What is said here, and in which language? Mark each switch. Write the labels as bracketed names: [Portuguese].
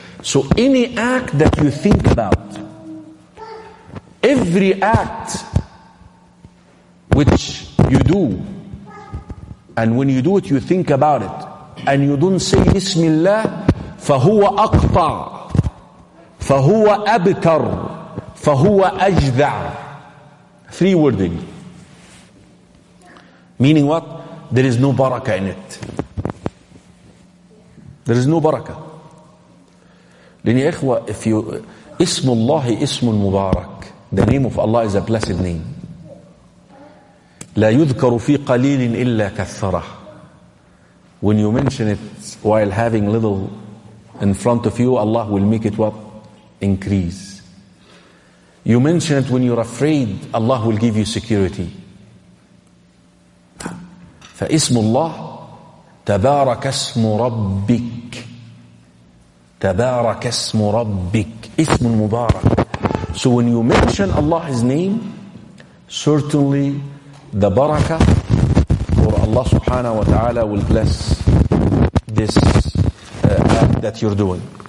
[English] So any act that you think about, every act which you do, and when you do it, you think about it, and you don't say Bismillah, [Arabic] فهو أقطع, فهو أبتر, فهو أجدع. [English] Three wording. Meaning what? There is no barakah in it. There is no barakah. [Arabic] لني إخوة, [English] if you, [Arabic] اسم الله اسم المبارك. [English] The name of Allah is a blessed name. [Arabic] لا يذكر في قليل إلا كثره. [English] When you mention it while having little in front of you, Allah will make it what? Increase. You mention it when you're afraid, Allah will give you security. [Arabic] فاسم الله تبارك اسم ربك, تبارك اسم ربك, اسم المبارك. [English] So when you mention Allah's name, certainly the barakah for Allah subhanahu wa ta'ala will bless this act that you're doing.